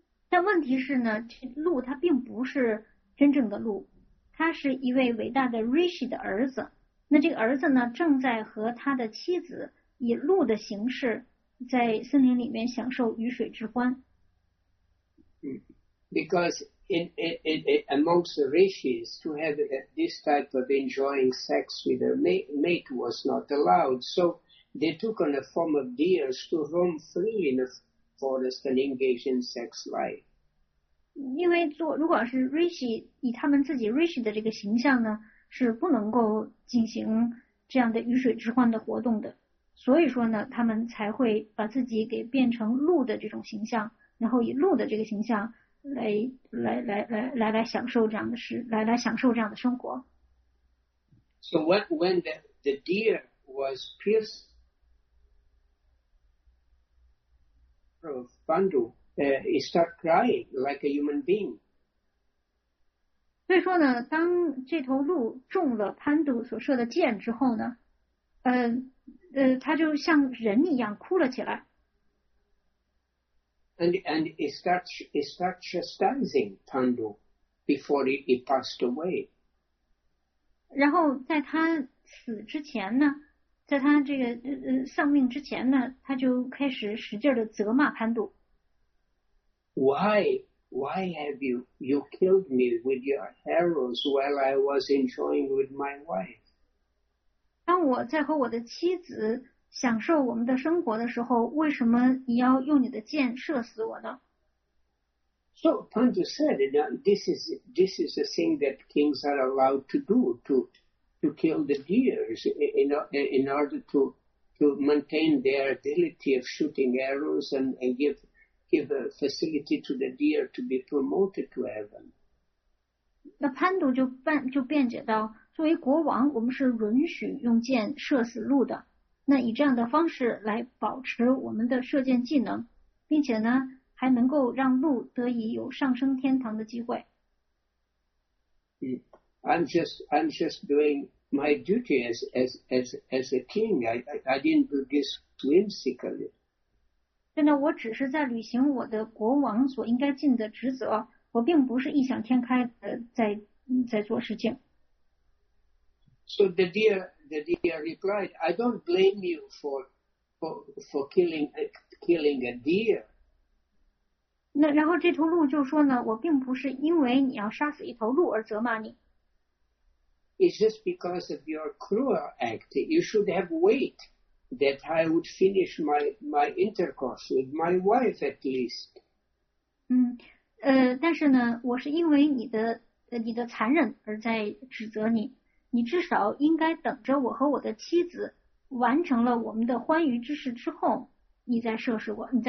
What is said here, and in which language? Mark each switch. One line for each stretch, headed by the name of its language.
Chinese: 但问题是呢，鹿它并不是真正的鹿，它是一位伟大的 rishi 的儿子。那这个儿子呢，正在和他的妻子以鹿的形式在森林里面享受鱼水之欢。
English: Because in amongst the rishis, to have this type of enjoying sex with a mate was not allowed. So they took on the form of deers to roam freely in the forest and engage in sex life.
Chinese: 因为做如果是 Rishi 以他们自己 Rishi 的这个形象呢，是不能够进行这样的鱼水之欢的活动的，所以说呢，他们才会把自己给变成鹿的这种形象，然后以鹿的这个形象来享受这样的事，来享受这样的生活。
English: So when the deer was pierced of Pandu. He start crying like a human being.
Chinese: 所以说呢，当这头鹿中了潘度所射的箭之后呢，他就像人一样哭了起来。
English: And he start chastising Pandu before he passed away.
Chinese: 然后在他死之前呢，在他这个丧命之前呢，他就开始使劲的责骂潘度。
English: Why have you killed me with your arrows while I was enjoying with my wife?
Chinese: 当我在和我的妻子享受我们的生活的时候，为什么你要用你的箭射死我呢？
English: So Pandu said, this is a thing that kings are allowed to do to kill the deers in order to maintain their ability of shooting arrows and give a facility to the deer to be promoted to heaven.
Chinese: 那潘度就辩解到，作为国王，我们是允许用箭射死鹿的，那以这样的方式来保持我们的射箭技能，并且呢，还能够让鹿得以有上升天堂的机会。
English: I'm just doing my duty as a king. I didn't do this whimsically.
Chinese: 现在我只是在履行我的国王所应该尽的职责，我并不是异想天开的在做事情。
English: So the deer replied, I don't blame you for killing a deer.
Chinese: 那然后这头鹿就说呢，我并不是因为你要杀死一头鹿而责骂你。
English: It's just because of your cruel act. You should have waited that I would finish my intercourse with my wife at least.
Chinese: 但是呢，我是因为你的残忍而在指责你。你至少应该等着我和我的妻子完成了我们的欢愉之事之后，你再射死我。